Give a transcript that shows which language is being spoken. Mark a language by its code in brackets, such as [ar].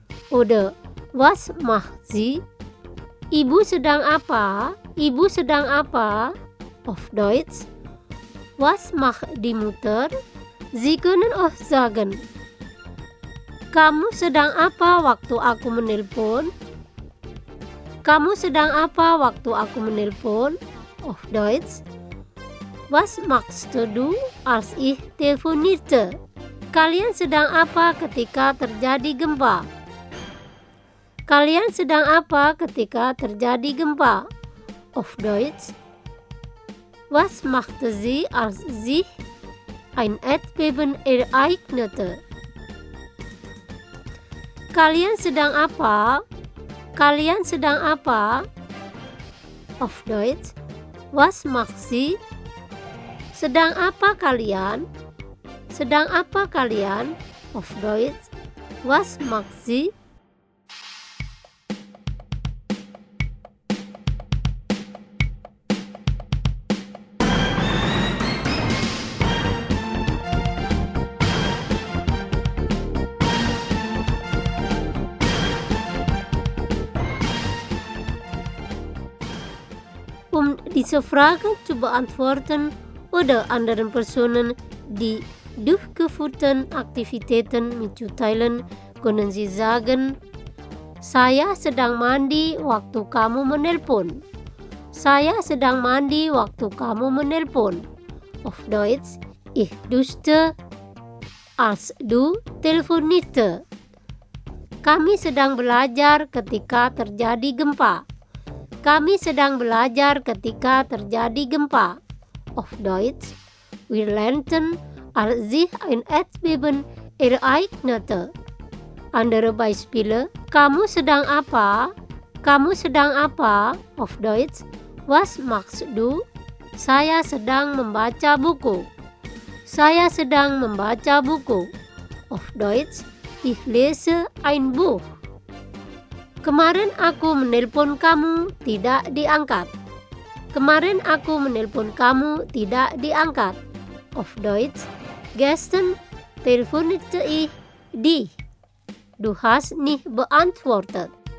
[de] Oder was macht sie? [id] Ibu sedang apa? Ibu sedang apa? [de] Auf Deutsch, was macht die Mutter? Sie können auch sagen, [id] kamu sedang apa waktu aku menelpon? Kamu sedang apa waktu aku menelpon? [de] Auf Deutsch, was machst du als ich telefonierte? [id] Kalian sedang apa ketika terjadi gempa? Kalian sedang apa ketika terjadi gempa? [de] Auf Deutsch, was macht sie als sich ein Erdbeben ereignete? [id] Kalian sedang apa? Kalian sedang apa? [de] Auf Deutsch, was macht sie? [id] Sedang apa kalian? Sedang apa kalian? [de] Auf Deutsch, was macht sie? Diese Frage zu beantworten oder anderen Personen die durchgeführten Aktivitäten mitzuteilen, können Sie sagen, [id] saya sedang mandi waktu kamu menelpon. Saya sedang mandi waktu kamu menelpon. [de] Auf Deutsch, ich duschte, als du telefonierte. [id] Kami sedang belajar ketika terjadi gempa. Kami sedang belajar ketika terjadi gempa. [de] Auf Deutsch, wir lernten, als sich ein Erdbeben ereignete. Andere Beispiele, [id] kamu sedang apa? Kamu sedang apa? [de] Auf Deutsch, was machst du? [id] Saya sedang membaca buku. Saya sedang membaca buku. [de] Auf Deutsch, ich lese ein Buch. [id] Kemarin aku menelpon kamu, tidak diangkat. Kemarin aku menelpon kamu, tidak diangkat. [de] Auf Deutsch, gestern telefonierte ich dich. Du hast nicht beantwortet.